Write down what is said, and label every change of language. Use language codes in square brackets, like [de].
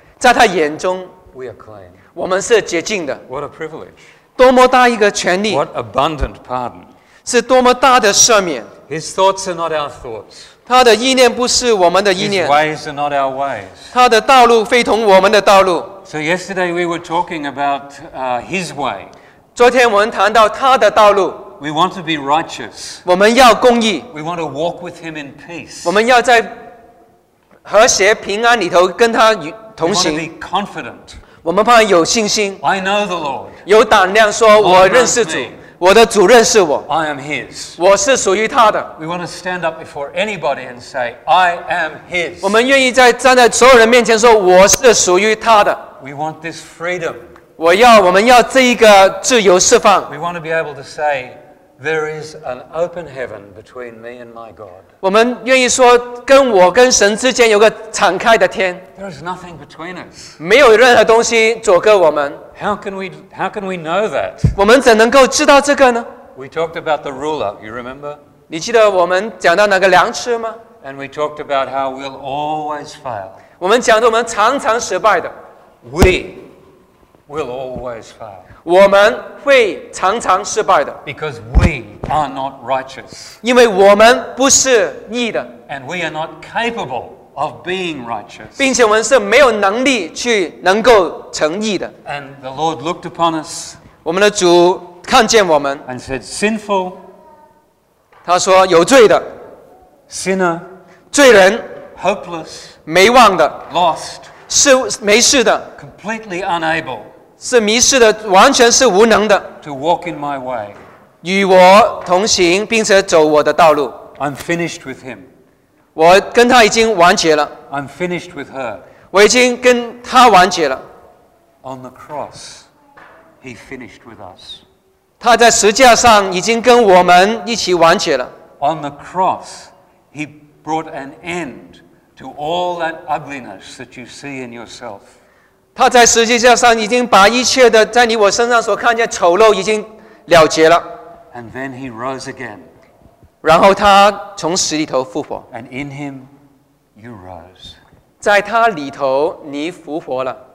[zh] 在他眼中， [en] we are clean, [zh] 我们是洁净的。 [en] What a privilege, [zh] 多么大一个权利。 [en] What abundant pardon, [zh] 是多么大的赦免。 [en] His thoughts are not our thoughts. [zh] 他的意念不是我们的意念。 [en] His ways are not our ways. [zh] 他的道路非同我们的道路。 [en] So yesterday we were talking about his way. [zh] 昨天我们谈到他的道路。 [en] We want to be righteous. [zh] 我们要公义。 [en] We want to walk with him in peace. [zh] 我们要在和谐平安里头跟他同行。 [en] We want to be confident. [zh] 我们怕有信心。 [en] I know the Lord. [zh] 有胆量说我认识主。我的主认识我。 [en] I am his. [zh] 我是属于他的。 [en] We want to stand up before anybody and say, I am his. [zh] 我们愿意在站在所有人面前说我是属于他的。 [en] We want this freedom. [zh] 我们要这一个自由释放。 [en] We want to be able to say, there is an open heaven between me and my God. [zh] 我们愿意说跟我跟神之间有个敞开的天。 [en] There is nothing between us. [zh] 没有任何东西阻隔我们。 [en] How can we know that? [zh] 我们怎能够知道这个呢？ [en] We talked about the ruler, you remember? [zh] 你记得我们讲到那个量尺吗？ [en] And we talked about how we'll always fail. [zh] 我们讲到我们常常失败的。 [en] We will always fail. [zh] 我们会常常失败的。 [en] Because we are not righteous. [zh] 因为我们不是义的。 [en] And we are not capable of being righteous. [zh] 并且我们是没有能力去能够成义的。 [en] And the Lord looked upon us. [zh] 我们的主看见我们。 [en] And said sinful. [zh] 他说有罪的。 [en] Sinner. [zh] 罪人。 [en] Hopeless. [zh] 没望的。 [en] Lost. [zh] 是没事的 [en] completely unable [zh] 是迷失的完全是无能的 [en] to walk in my way [zh] 与我同行并且走我的道路 [en] I'm finished with him [zh] 我跟他已经完结了 [en] I'm finished with her [zh] 我已经跟他完结了 [en] on the cross he finished with us [zh] 他在十字架上已经跟我们一起完结了 [en] on the cross he brought an endTo all that ugliness that you see in yourself. [zh] 他在实际上已经把一切的在你我身上所看见丑陋已经了结了。 [en] And then he rose again. [zh] 然后他从死里头复活。 [en] And in him you rose. [zh] 在他里头你复活了。